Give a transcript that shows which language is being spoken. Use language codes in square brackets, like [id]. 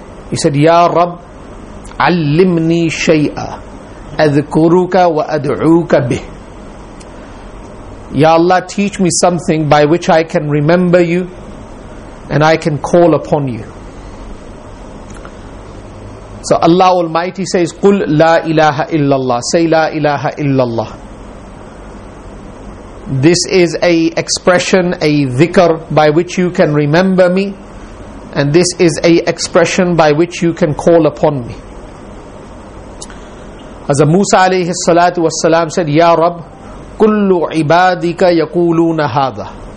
[ar] He said, Ya Rab, allimni shay'a adhkuruka wa ad'uka bih. [en] Ya Allah, teach me something by which I can remember you and I can call upon you. So Allah Almighty says, [ar] قُلْ لَا إِلَهَ إِلَّا اللَّهِ. [en] Say, [ar] لَا إِلَهَ إِلَّا اللَّهِ. [en] This is a expression, a dhikr, by which you can remember me, and this is a expression by which you can call upon me. As Musa alayhi salatu wassalam said, [ar] Ya Rab, كُلُّ عِبَادِكَ يَقُولُونَ هَذَا.